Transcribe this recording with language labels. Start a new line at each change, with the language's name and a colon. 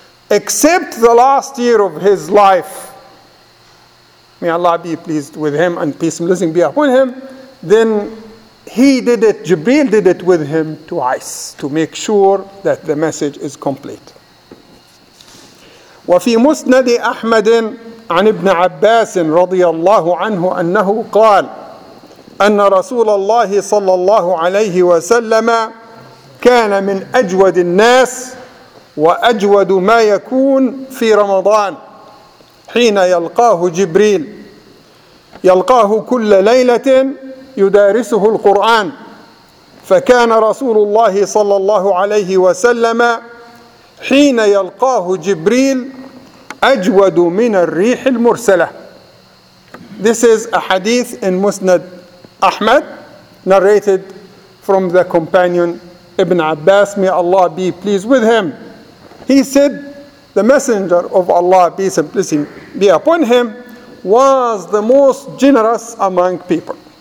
English: Except the last year of his life, may Allah be pleased with him and peace and blessing be upon him, then Jibreel did it with him twice to make sure that the message is complete.
Arabic: وفي مسند أحمد عن ابن عباس رضي الله عنه أنه قال أن رسول الله صلى الله عليه وسلم كان من أجود الناس وأجود ما يكون في رمضان حين يلقاه جبريل يلقاه كل ليلة يدارسه القرآن فكان رسول الله صلى الله عليه وسلم حين يلقاه جبريل أجود من الريح المرسلة.
English: This is a hadith in Musnad Ahmad, narrated from the companion Ibn Abbas, may Allah be pleased with him. He said, the messenger of Allah, peace and blessing be upon him, was the most generous among people.